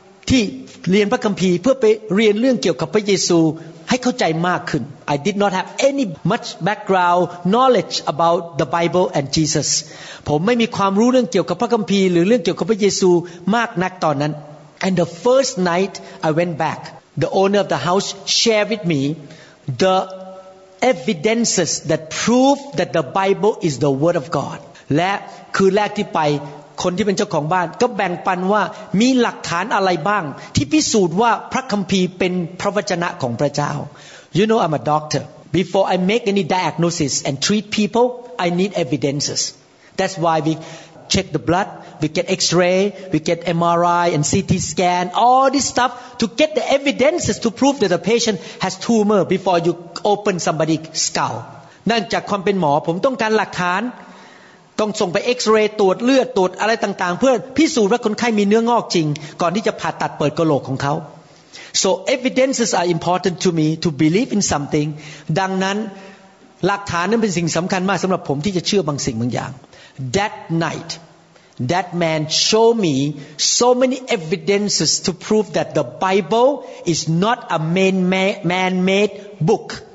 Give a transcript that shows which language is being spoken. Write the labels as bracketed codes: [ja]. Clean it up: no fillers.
[th] ที่เรียนพระคัมภีร์เพื่อไปเรียนเรื่องเกี่ยวกับพระเยซูให้เข้าใจมากขึ้น [en] I did not have any much background knowledge about the Bible and Jesus [th] ผมไม่มีความรู้เรื่องเกี่ยวกับพระคัมภีร์หรือเรื่องเกี่ยวกับพระเยซูมากนักตอนนั้น [en] And the first night I went back, the owner of the house shared with me the evidences that prove that the Bible is the Word of God. [th] และคืนแรกที่ไปคนที่เป็นเจ้าของบ้านก็แบ่งปันว่ามีหลักฐานอะไรบ้างที่พิสูจน์ว่าพระคัมภีร์เป็นพระวจนะของพระเจ้า [en] You know I'm a doctor. Before I make any diagnosis and treat people, I need evidences. That's why we check the blood. We get X-ray, we get MRI and CT scan, all this stuff to get the evidences to prove that the patient has tumor before you open somebody's skull. [th] นั่นจากความเป็นหมอผมต้องการหลักฐานต้องส่งไป X-ray ตรวจเลือดตรวจอะไรต่างๆเพื่อพิสูจน์ว่าคนไข้มีเนื้องอกจริงก่อนที่จะผ่าตัดเปิดกะโหลกของเขา [en] So evidences are important to me to believe in something. [th] ดังนั้น หลักฐานนั้นเป็นสิ่งสำคัญมากสำหรับผมที่จะเชื่อบางสิ่งบางอย่าง [en] That night that man showed me so many evidences to prove that the Bible is not a man-made book